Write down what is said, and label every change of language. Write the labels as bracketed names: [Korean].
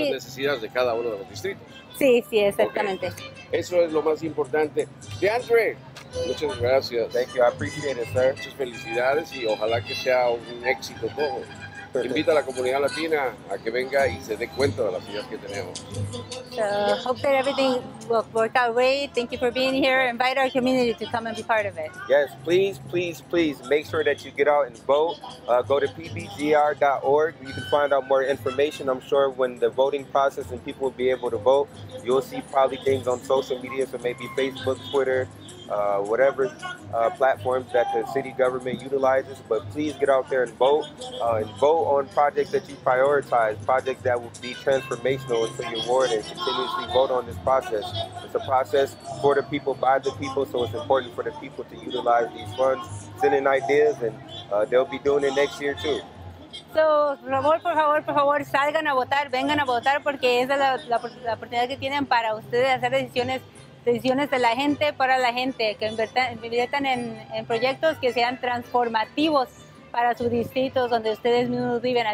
[Spanish] A las necesidades de cada uno de los distritos. Sí, sí, exactamente. Okay. Eso es lo más importante. DeAndre, muchas gracias. [English] Thank you, I appreciate it, sir. [Spanish] Muchas felicidades y ojalá que sea un éxito todo. Perfect. Invita a la comunidad latina a que venga y se dé cuenta de las ideas que tenemos. [English] So, hope that everything will work out great. Thank you for being here. Invite our community to come and be part of it. Yes, please, please, please make sure that you get out and vote. Go to pbgr.org. You can find out more information. I'm sure when the voting process and people will be able to vote, you'll see probably things on social media, so maybe Facebook, Twitter, whatever platforms that the city government utilizes, but please get out there and vote on projects that you prioritize, projects that will be transformational into your ward, and continuously vote on this process. It's a process for the people, by the people, so it's important for the people to utilize these funds, send in ideas, and they'll be doing it next year too. [Spanish] So, por favor, salgan a votar, vengan a votar, porque esa es la oportunidad que tienen para ustedes hacer decisiones de la gente para la gente, que inviertan en proyectos que sean transformativos para sus distritos donde ustedes mismos viven.